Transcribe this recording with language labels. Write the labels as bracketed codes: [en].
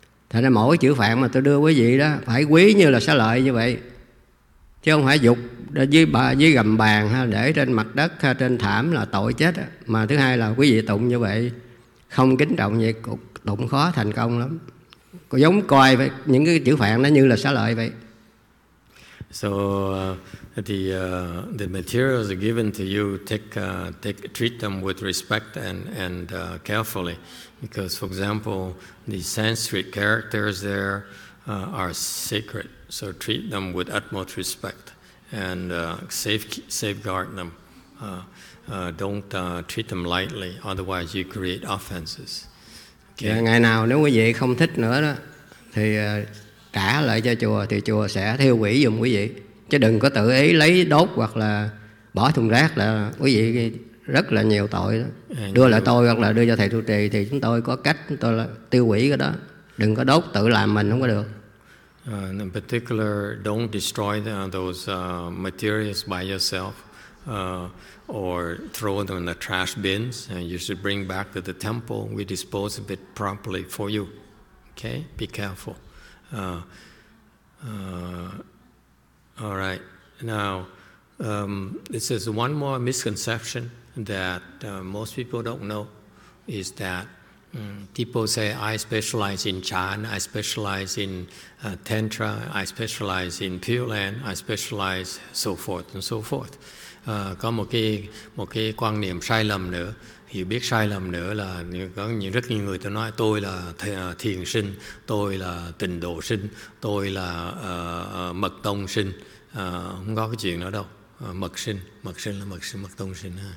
[vi] Thế nên mỗi chữ phạn mà tôi đưa quý vị đó phải quý như là xá lợi như vậy, chứ không phải dục dưới gầm bàn ha, để trên mặt đất ha, trên thảm là tội chết đó. Mà thứ hai là quý vị tụng như vậy, không kính trọng vậy cũng tụng khó thành công lắm. Có giống coi vậy, những cái chữ phạn nó như là xá lợi vậy. [en] So the materials are given to you, take treat them with respect and carefully, because for example the Sanskrit characters there are sacred, so treat them with utmost respect and safeguard them. Don't treat them lightly, otherwise you create offenses. Okay. [vi] Yeah, ngày nào nếu quý vị không thích nữa đó thì trả lại cho chùa, thì chùa sẽ thiêu hủy dùm quý vị. Chứ đừng có tự ý lấy đốt hoặc là bỏ thùng rác, là quý vị rất là nhiều tội đó. Đưa lại tôi hoặc là đưa cho thầy trụ trì thì chúng tôi có cách, chúng tôi là tiêu hủy cái đó. Đừng có đốt, tự làm mình không có được. [en] In particular, don't destroy those materials by yourself or throw them in the trash bins. And you should bring back to the temple. We dispose of it properly for you. Okay? Be careful. All right. Now, this is one more misconception that most people don't know, is that people say, I specialize in Chan, I specialize in Tantra, I specialize in Pure Land, I specialize so forth and so forth. [vi] Có một cái quan niệm sai lầm nữa, hiểu biết sai lầm nữa, là có những rất nhiều người tôi nói tôi là thiền sinh, tôi là tịnh độ sinh, tôi là mật tông sinh. Không có cái chuyện đó đâu. Mật sinh là mật tông sinh.